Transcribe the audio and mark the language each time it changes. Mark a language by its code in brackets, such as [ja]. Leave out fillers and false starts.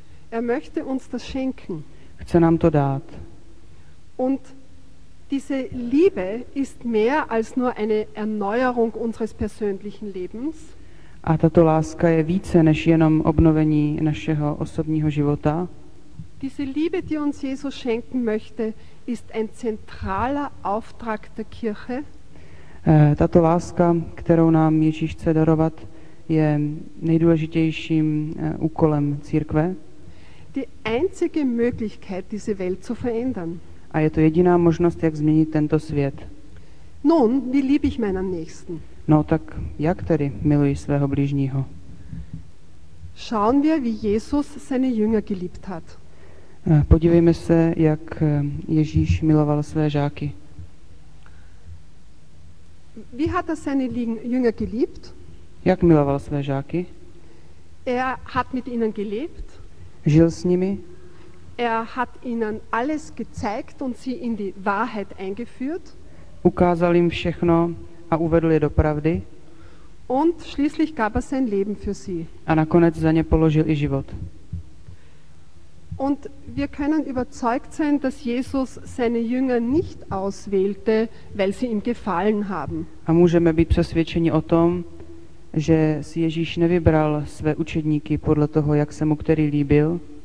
[de] Er möchte uns das schenken. [cs] Chce nám to dát. [de] Und diese Liebe ist mehr als nur eine Erneuerung unseres persönlichen Lebens. [cs] A tato láska je více než jenom obnovení našeho osobního života. [de] Diese Liebe, die uns Jesus schenken möchte, ist ein zentraler Auftrag der Kirche. [cs] Tato láska, kterou nám Ježíš chce darovat, je nejdůležitějším úkolem církve. [de] Die einzige Möglichkeit, diese Welt zu verändern. [cs] A je to jediná možnost, jak změnit tento svět. [de] Nun, wie liebe ich meinen Nächsten? [cs] No tak, jak tedy miluji svého bližního? [de] Schauen wir, wie Jesus seine Jünger geliebt hat. [cs] Podívejme se, jak Ježíš miloval své žáky. [de] Wie hat er seine Jünger geliebt? [cs] Jak miloval své žáky? [de] Er hat mit ihnen gelebt. [cs] Žil s nimi. [de] Er hat ihnen alles gezeigt und sie in die Wahrheit eingeführt. [cs] Ukázal jim všechno a uvedl je do pravdy. [de] Und schließlich gab er sein Leben für sie. [cs] A nakonec za ně položil i život. [de] Und wir können überzeugt sein, dass Jesus seine Jünger nicht auswählte, weil sie ihm gefallen haben. [cs] A můžeme být přesvědčeni o tom, že si Ježíš nevybral své učedníky podle toho, jak se mu který líbil.